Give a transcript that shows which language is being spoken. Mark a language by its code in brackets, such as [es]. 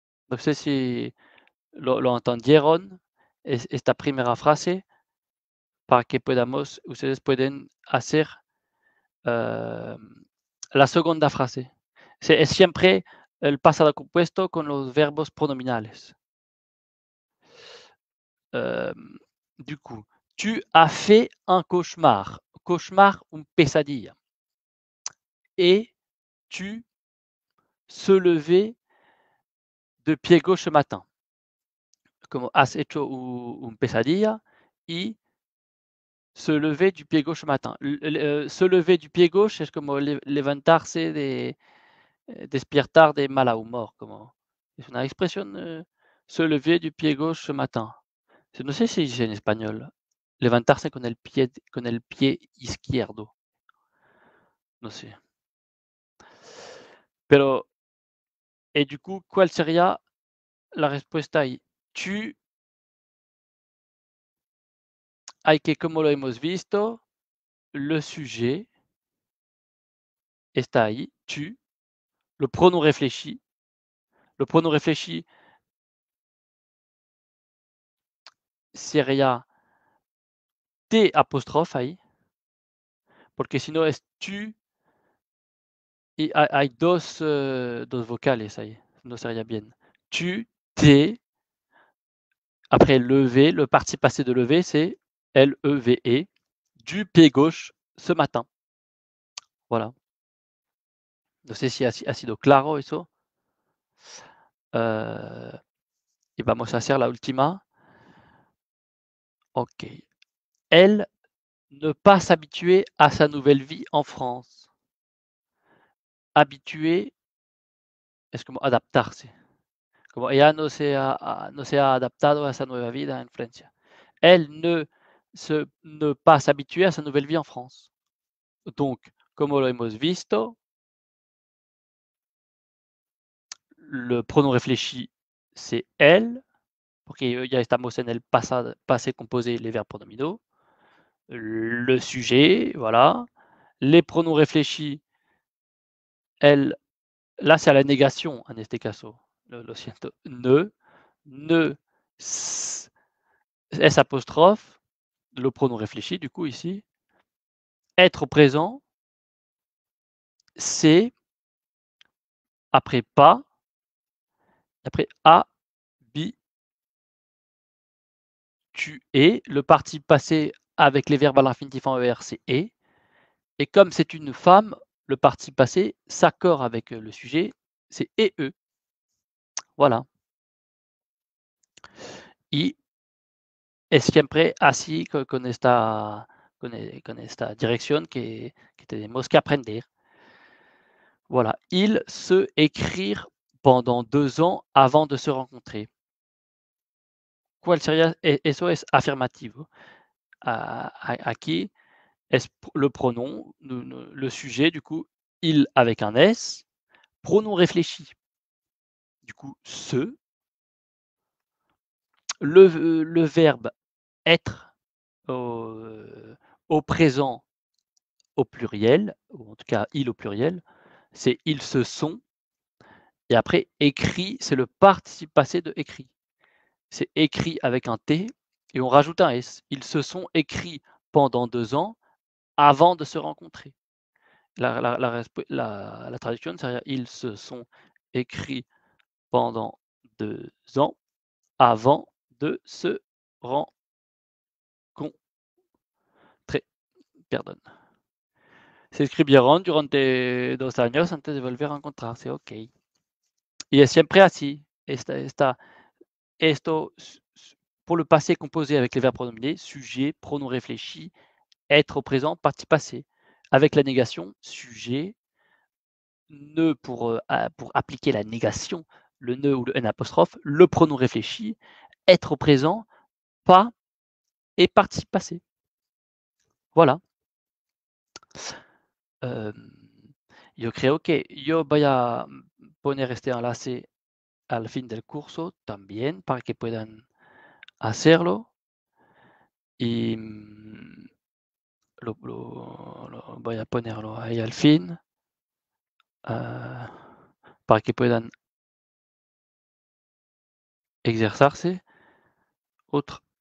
[es] No sé si lo entendieron, esta primera frase, para que podamos, ustedes pueden hacer la segunda frase. Es siempre el pasado compuesto con los verbos pronominales. [fr] Du coup, tu as fait un cauchemar. Cauchemar, [es] un pesadilla. [fr] Et tu se levais de pied gauche ce matin. [es] Como has hecho un pesadilla y [fr] se lever du pied gauche ce matin. Se lever du pied gauche, [es] es como levantarse de. Despertar de mala humor, [fr] comment? C'est une expression se lever du pied gauche ce matin. Je ne sais si c'est en espagnol. [es] Levantarse con el pie izquierdo. [fr] Ne sais. [es] Pero, [fr] et du coup, quelle serait la réponse? Tu. [es] Hay que, como lo hemos visto, [fr] le sujet [es] está ahí. Tu. [fr] Le pronom réfléchi. Le pronom réfléchi. [es] Seria T apostrophe ahí. Porque sinon es tu. [fr] Et avec [es] dos vocales, [fr] ça y est, non, ça irait bien. Tu, t'es, après levé, le parti passé de levé, c'est L-E-V-E, du pied gauche ce matin. Voilà. [es] No sé si ha sido claro eso. Y vamos a hacer la última. Ok. [fr] Elle ne pas s'habituer à sa nouvelle vie en France. [es] Habitué, es como adaptarse, como ella no se ha adaptado a sa nueva vida en Francia. [fr] Elle ne pas s'habituer à sa nouvelle vie en France. Donc, [es] como lo hemos visto, [fr] le pronom réfléchi c'est elle, [es] porque ya estamos en el [fr] passé composé, les verbes pronominaux, le sujet, voilà, les pronoms réfléchis. Elle, là, c'est à la négation, [es] en este caso. Lo siento. [fr] Ne, s apostrophe, le pronom réfléchi, du coup, ici. Être présent, c'est, après pas, après habitué, le parti passé avec les verbes à l'infinitif en ER, c'est et. Et comme c'est une femme, le parti passé s'accorde avec le sujet, c'est « et eux ». Voilà. [es] Y es siempre así con esta dirección que tenemos que aprender. [fr] Voilà. Ils se écrirent pendant 2 ans avant de se rencontrer. [es] ¿Cuál sería eso? Es afirmativo. Aquí es [fr] le pronom, le sujet, du coup. Il avec un S, pronom réfléchi, du coup se, le verbe être au présent au pluriel, ou en tout cas il au pluriel, c'est ils se sont, et après écrit, c'est le participe passé de écrit, c'est écrit avec un T, et on rajoute un S, ils se sont écrits pendant 2 ans avant de se rencontrer. La traduction, c'est-à-dire ils se sont écrits pendant 2 ans avant de se rencontrer. Pardon. [es] Se escribieron durante 2 años antes de volver a encontrarse. Ok. Y es siempre así. Esto, [fr] pour le passé composé avec les verbes pronominés, sujet, pronom réfléchi, être au présent, partie passée. Avec la négation, sujet, ne pour appliquer la négation, le ne ou le n apostrophe, le pronom réfléchi, être au présent, pas et participe passé. Voilà. [es] Yo creo que yo voy a poner este enlace al fin del curso también para que puedan hacerlo. Y lo voy a ponerlo ahí al fin para que puedan exercerse. Otro.